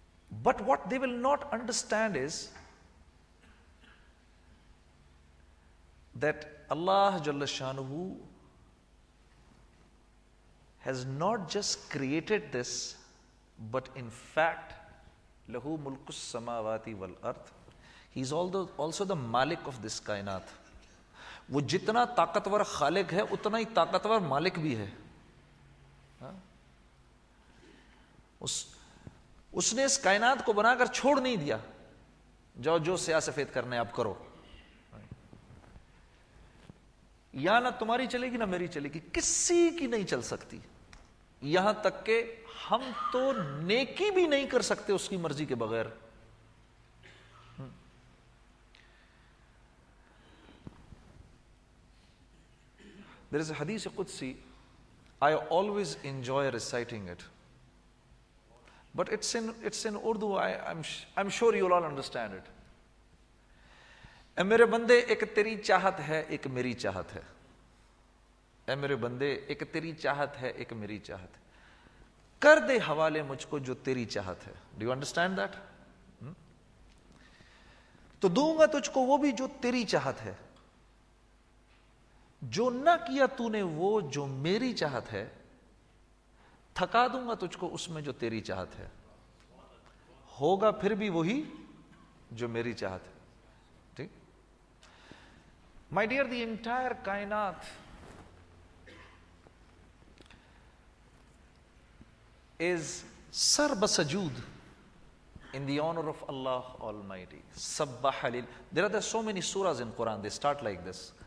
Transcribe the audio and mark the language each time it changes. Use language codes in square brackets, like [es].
[en] But what they will not understand is that Allah Jalla Shanu has not just created this, but in fact, [ar] لَهُ مُلْكُ السَّمَاوَاتِ وَالْأَرْضِ, [en] he is also the malik of this kainat. [ur] وہ جتنا طاقتور خالق ہے اتنا ہی طاقتور مالک بھی ہے. اس نے اس کائنات کو بنا کر چھوڑ نہیں دیا. جاؤ جو سیاہ سفید کرنا ہے اب کرو, یا نہ تمہاری چلے گی نہ میری چلے گی, کسی کی نہیں چل سکتی. یہاں تک کہ ہم تو نیکی بھی نہیں کر سکتے اس کی مرضی کے بغیر. [en] There is a حدیث قدسی, I always enjoy reciting it, but it's in Urdu. I'm sure you'll all understand it. [ur] اے میرے بندے ایک تیری چاہت ہے ایک میری چاہت ہے. اے میرے بندے ایک تیری چاہت ہے ایک میری چاہت ہے, کر دے حوالے مجھ کو جو تیری چاہت ہے. [en] Do you understand that? [ur] تو دوں گا تجھ کو وہ بھی جو تیری چاہت ہے, جو نہ کیا تو نے وہ جو میری چاہت ہے, تھکا دوں گا تجھ کو اس میں جو تیری چاہت ہے, ہوگا پھر بھی وہی جو میری چاہت ہے. ٹھیک. [en] My dear, the entire kainat is sarbasajood in the honor of Allah Almighty. Subbahalil, there are so many surahs in Quran, they start like this.